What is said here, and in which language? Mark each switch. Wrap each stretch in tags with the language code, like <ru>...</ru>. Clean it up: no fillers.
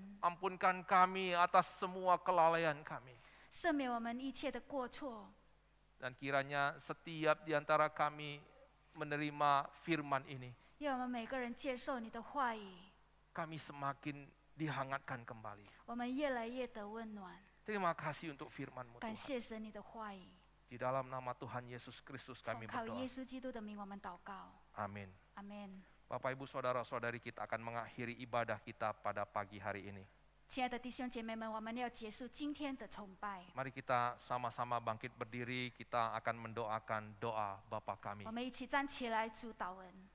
<id>Ampunkan kami atas semua kelalaian kami.</id> <zh>赦免我们一切的过错.</zh> <id>Dan kiranya setiap di antara kami menerima firman ini,</id> <zh>要我们每个人接受你的话语,</zh> <id>kami semakin dihangatkan kembali.</id> <zh>我们越来越得温暖.</zh> <id>Terima kasih untuk firman-Mu, Tuhan.</id> <zh>感谢神你的话语.</zh> <id>Di dalam nama Tuhan Yesus Kristus kami berdoa.</id> <zh>奉靠耶稣基督的名我们祷告.</zh> <id>Amin. Amin. Bapak, Ibu, Saudara-saudari, kita akan mengakhiri ibadah kita pada pagi hari ini.</id> <zh>亲爱的弟兄姐妹们，我们要结束今天的崇拜。</zh> <id>Mari kita sama-sama bangkit berdiri, kita akan mendoakan doa Bapa kami.</id> <zh>我们一起站起来主祷文。</zh>